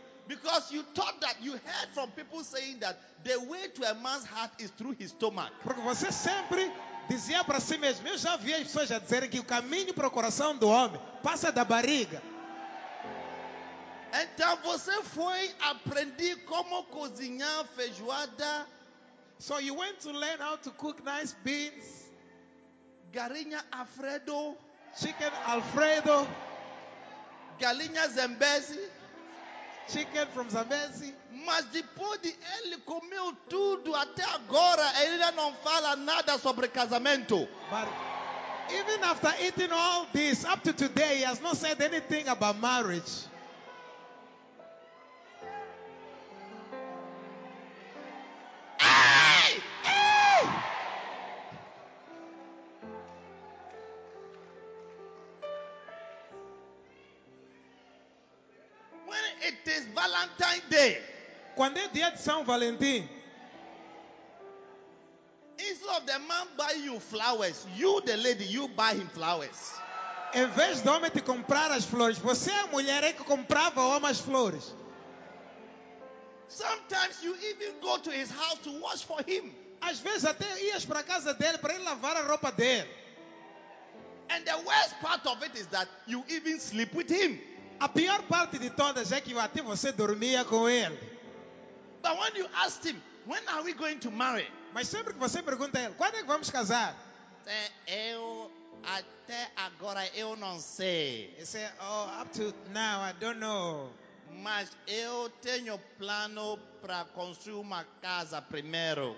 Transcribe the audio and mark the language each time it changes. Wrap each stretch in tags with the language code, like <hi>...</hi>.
<en>Because you thought that you heard from people saying that the way to a man's heart is through his stomach.</en> <pt>Porque você sempre dizia para si mesmo, eu já vi as pessoas já dizerem que o caminho para o coração do homem passa da barriga. Então você foi aprender como cozinhar feijoada.</pt> <en>So you went to learn how to cook nice beans.</en> <pt>Galinha Alfredo.</pt> <en>Chicken Alfredo.</en> <pt>Galinha Zambezi.</pt> <en>Chicken from Zambezi.</en> <pt>Mas depois de ele comeu tudo até agora, ele ainda não fala nada sobre casamento.</pt> <en>But even after eating all this, up to today, he has not said anything about marriage. It is Valentine's Day.</en> <pt>Quando é dia de São Valentim.</pt> <en>Instead of the man buying you flowers, you the lady, you buy him flowers.</en> <pt>Em vez do homem te comprar as flores, você a mulher é que comprava o homem as flores.</pt> <en>Sometimes you even go to his house to wash for him.</en> <pt>Às vezes até ias para a casa dele para ele lavar a roupa dele.</pt> <en>And the worst part of it is that you even sleep with him.</en> <pt>A pior parte de todas é que até você dormia com ele.</pt> <en>But when you asked him, when are we going to marry?</en> <pt>Mas sempre que você pergunta a ele, quando é que vamos casar? Eu até agora eu não sei.</pt> <en>He said, oh, up to now I don't know.</en> <pt>Mas eu tenho plano para construir uma casa primeiro.</pt>